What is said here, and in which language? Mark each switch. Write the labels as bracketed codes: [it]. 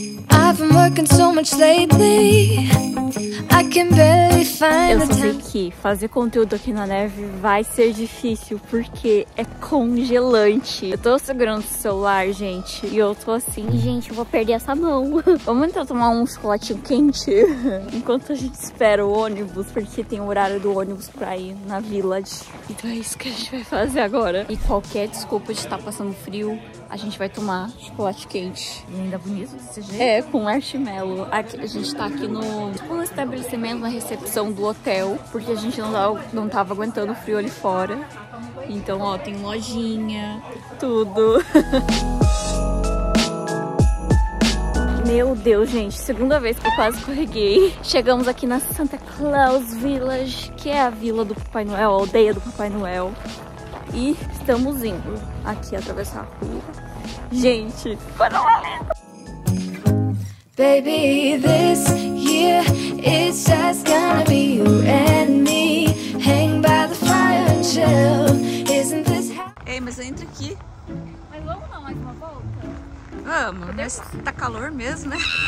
[en] I've been working so much lately. I can barely find the time. [pt] Eu sei que fazer conteúdo aqui na neve vai ser difícil porque é congelante. Eu tô segurando o celular, gente. E eu tô assim, gente, eu vou perder essa mão. Vamos então tomar um chocolatinho quente enquanto a gente espera o ônibus, porque tem o horário do ônibus pra ir na village. Então é isso que a gente vai fazer agora. E qualquer desculpa de estar passando frio, a gente vai tomar chocolate quente. E ainda bonito desse jeito? É, com marshmallow. Aqui, a gente tá aqui no estabelecimento, na recepção do hotel, porque a gente não tava aguentando o frio ali fora. Então, ó, tem lojinha, tudo. Meu Deus, gente, segunda vez que eu quase escorreguei. Chegamos aqui na Santa Claus Village, que é a vila do Papai Noel, a aldeia do Papai Noel. E estamos indo aqui atravessar a rua. Gente, para lá! [en] Baby, this year it's just gonna be you and me. Hang by the fire and chill. Isn't this happy? [pt] Ei, mas entra aqui. Mas vamos dar mais uma volta? Vamos, mas Deus, tá calor mesmo, né?